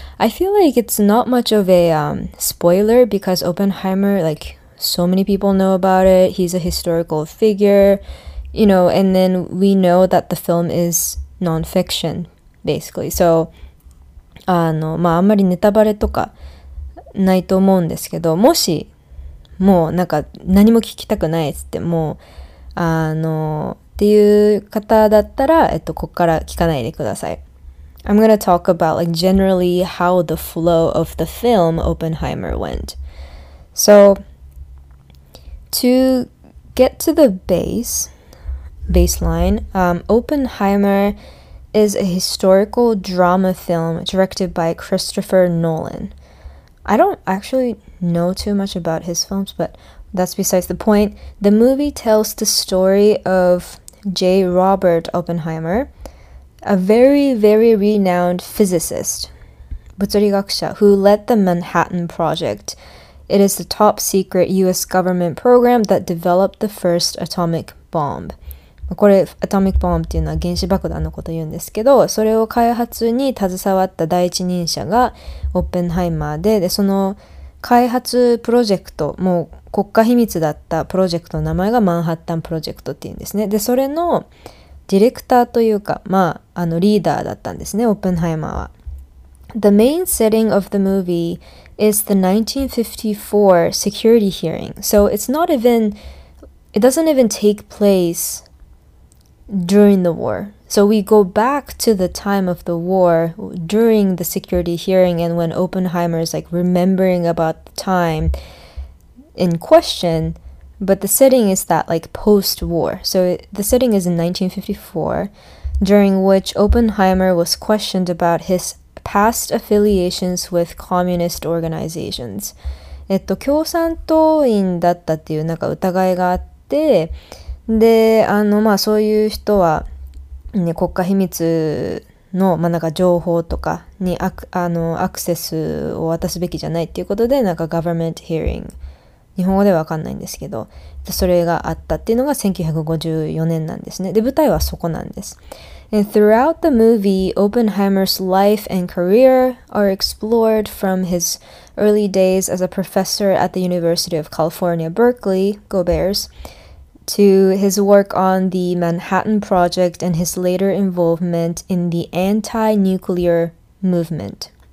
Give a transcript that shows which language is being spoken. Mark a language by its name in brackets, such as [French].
[English] I feel like it's not much of a spoiler because Oppenheimer, like, so many people know about it. He's a historical figure, and then we know that the film is non-fiction, basically. [Japanese] So, まあ、あんまりネタバレとかないと思うんですけど、もし、もう、なんか、何も聞きたくないっつって、もう、っていう方だったら、こっから聞かないでください。 [English] I'm gonna talk about, like, generally how the flow of the film Oppenheimer went. So, to get to the baseline, Oppenheimer is a historical drama film directed by Christopher Nolan. I don't actually know too much about his films, but that's besides the point. The movie tells the story of J. Robert Oppenheimer, a very, very renowned physicist, 物理学者, who led the Manhattan Project. It is the top secret US government program that developed the first atomic bomb. [Japanese] これ、アトミックボムっていうのは原子爆弾のことを言うんですけど、それを開発に携わった第一人者がオッペンハイマーで、その開発プロジェクト、もう国家秘密だったプロジェクトの名前がマンハッタンプロジェクトっていうんですね。で、それのディレクターというか、まあ、リーダーだったんですね、オッペンハイマーは。 [English] The main setting of the movie is the 1954 security hearing. So it's not even, it doesn't even take place during the war. So we go back to the time of the war during the security hearing and when Oppenheimer is like remembering about the time in question. But the setting is that like post-war. So the setting is in 1954, during which Oppenheimer was questioned about his past affiliations with communist organizations. [Japanese] 共産党員だったっていうなんか疑いがあって、で、まあ、そういう人は、ね、国家秘密の、まあ、なんか情報とかにアクセスを渡すべきじゃないっていうことで、なんか [English] government hearing、 [Japanese] 日本語ではわかんないんですけど、それがあったっていうのが1954年なんですね。で、舞台はそこなんです。 [English] And throughout the movie, Oppenheimer's life and career are explored from his early days as a professor at the University of California, Berkeley, Go Bears, to his work on the Manhattan Project and his later involvement in the anti-nuclear movement.